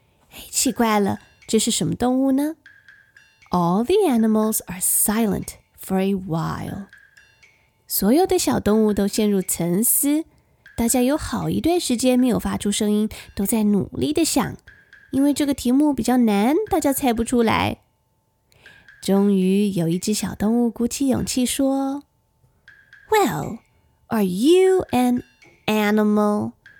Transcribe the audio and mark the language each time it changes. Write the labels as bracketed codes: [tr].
[zh] 哎，奇怪了，这是什么动物呢？ [en] All the animals are silent for a while. [zh] 所有的小动物都陷入沉思，大家有好一段时间没有发出声音，都在努力地想，因为这个题目比较难，大家猜不出来。终于有一只小动物鼓起勇气说 [en] Well, are you an animal?